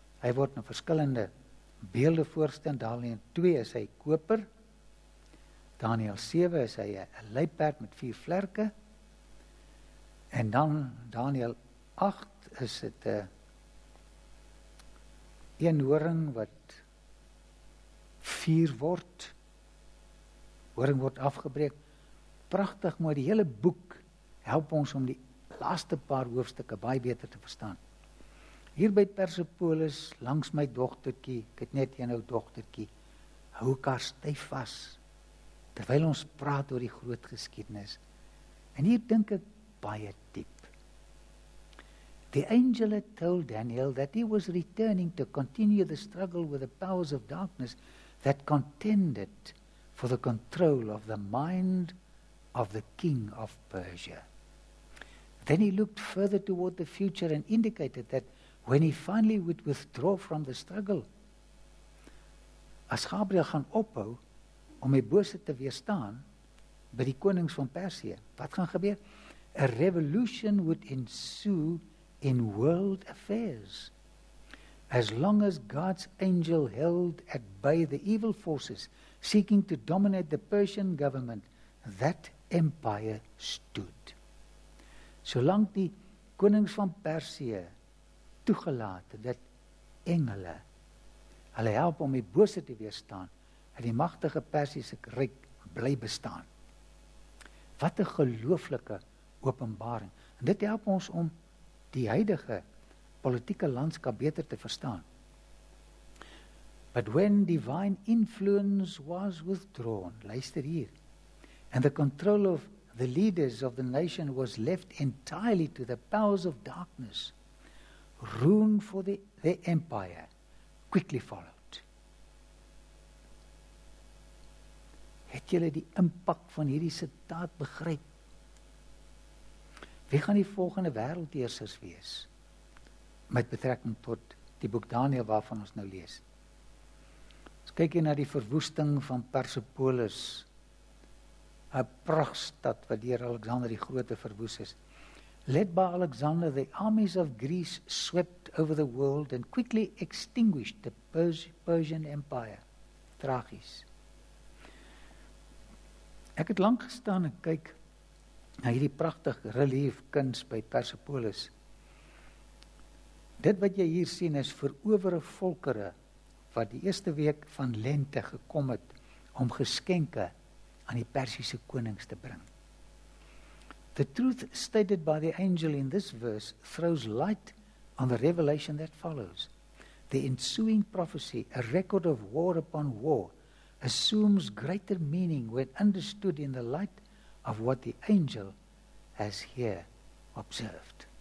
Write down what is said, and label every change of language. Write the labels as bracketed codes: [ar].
[af] Hy word in verskillende beelde voorstel, Daniel 2 is hy koper, Daniel 7 is hy 'n luiperd met 4 vlerke, en dan Daniel 8 is dit 'n eenhoring wat 4 word, horing word afgebreek, prachtig, maar die hele boek help ons om die laaste paar hoofstukke baie beter te verstaan. Hier by Persepolis, langs my dogtertjie, ek het net een ou dogtertjie, hou elkaar styf vas, terwyl ons praat oor die groot geskiedenis. En hier dink ek baie diep. [en] The angel had told Daniel that he was returning to continue the struggle with the powers of darkness that contended for the control of the mind of the king of Persia. Then he looked further toward the future and indicated that when he finally would withdraw from the struggle, [af] as Gabriel gaan ophou om die bose te weerstaan by die konings van Persie, wat gaan gebeur? [en] A revolution would ensue in world affairs. As long as God's angel held at bay the evil forces seeking to dominate the Persian government, that empire stood. [af] Solank die konings van Persie toegelaat dat engele hulle help om die bose te weerstaan en die magtige Persiese ryk bly bestaan. Wat 'n gelooflike openbaring. En dit help ons om die huidige politieke landskap beter te verstaan. [en] But when divine influence was withdrawn, [af] luister hier, [en] and the control of the leaders of the nation was left entirely to the powers of darkness, ruin for the empire quickly followed. [af] Het julle die impak van hierdie sitaat begryp? Wie gaan die volgende wêreldheersers wees? Met betrekking tot die boek Daniel waarvan ons nou lees. Ons kyk hier na die verwoesting van Persepolis, 'n pragtstad wat deur Alexander die Grote verwoes is. [en] Led by Alexander, the armies of Greece swept over the world and quickly extinguished the Persian Empire. [af] Tragies. Ek het lank gestaan en kyk na hierdie pragtig relief kuns by Persepolis. Dit wat jy hier sien is verowere volkere wat die eerste week van lente gekom het om geskenke aan die Persiese konings te bring. [en] The truth stated by the angel in this verse throws light on the revelation that follows. The ensuing prophecy, a record of war upon war, assumes greater meaning when understood in the light of what the angel has here observed.